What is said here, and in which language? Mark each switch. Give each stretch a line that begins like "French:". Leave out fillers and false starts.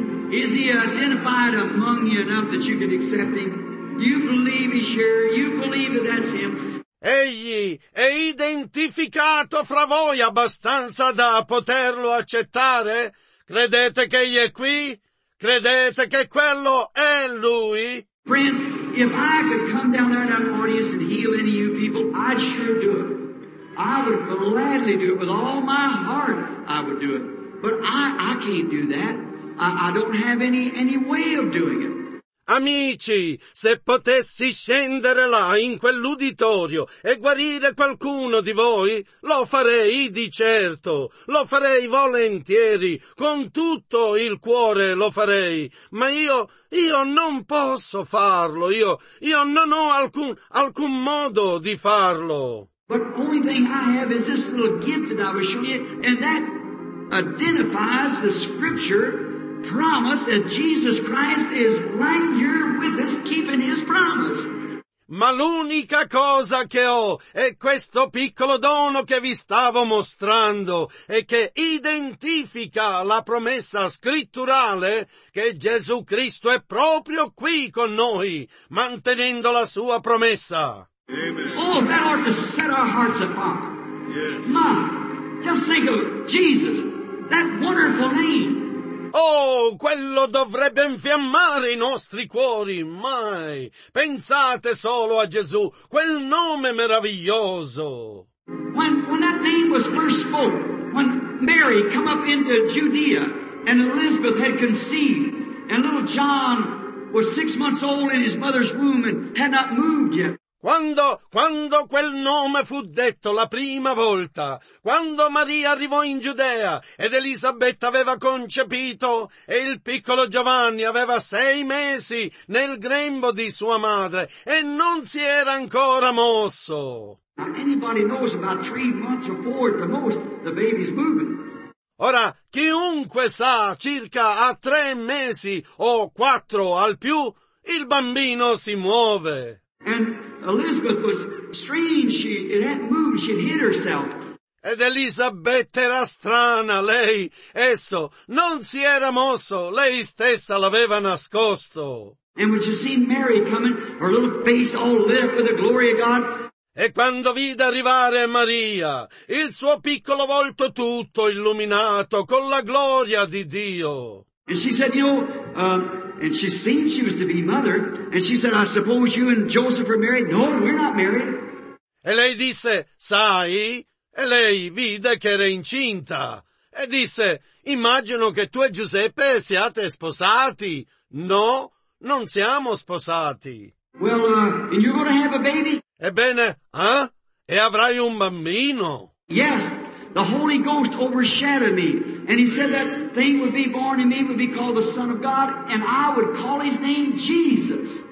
English: Is he identified among you enough that you can accept him? You believe he's here. You believe that that's him.
Italian: Egli è identificato fra voi abbastanza da poterlo accettare? Credete che egli è qui? Credete che quello è lui?
English: Friends, if I could come down there in that audience and heal any of you people, I'd sure do it. I would gladly do it with all my heart. I would do it. But I can't do that. I don't have any way of doing it.
Italian: Amici, se potessi scendere là in quell'uditorio e guarire qualcuno di voi, lo farei di certo, lo farei volentieri, con tutto il cuore lo farei, ma io non posso farlo, io non ho alcun modo di farlo.
English: But the only thing I have is this little gift that I was showing you, and that identifies the scripture. Promise that Jesus Christ is right here with us, keeping his promise.
Italian: Ma l'unica cosa che ho è questo piccolo dono che vi stavo mostrando e che identifica la promessa scritturale che Gesù Cristo è proprio qui con noi, mantenendo la sua promessa.
English: Amen. Oh, that ought to set our hearts upon. Yes. Ma, just think of Jesus, that wonderful name.
Italian: Oh, quello dovrebbe infiammare i nostri cuori, mai. Pensate solo a Gesù, quel nome meraviglioso.
English: When that name was first spoken, when Mary come up into Judea and Elizabeth had conceived, and little John was 6 months old in his mother's womb and had not moved yet.
Italian: Quando quel nome fu detto la prima volta, quando Maria arrivò in Giudea ed Elisabetta aveva concepito e il piccolo Giovanni aveva 6 mesi nel grembo di sua madre e non si era ancora mosso.
English: Now anybody knows about 3 months or 4 at the most the baby's moving.
Italian: Ora, chiunque sa circa a 3 mesi o 4 al più il bambino si muove.
English: And Elizabeth was strange. She it hadn't moved. She'd hid herself.
Italian: Ed Elisabetta era strana. Lei, esso, non si era mosso. Lei stessa l'aveva nascosto.
English: And when she seen Mary coming, her little face all lit up with the glory of God.
Italian: E quando vide arrivare Maria, il suo piccolo volto tutto illuminato con la gloria di Dio.
English: And she said, you know, and she seemed she was to be mother, and she said, I suppose you and Joseph are married? No, we're not married.
Italian: E lei disse, sai? E lei vide che era incinta. E disse, immagino che tu e Giuseppe siate sposati. No, non siamo sposati.
English: Well, and you're going to have a baby?
Italian: Ebbene, eh? E avrai un bambino?
English: Yes, the Holy Ghost overshadowed me. And he said that thing would be born in me, would be called the Son of God, and I would call his name Jesus.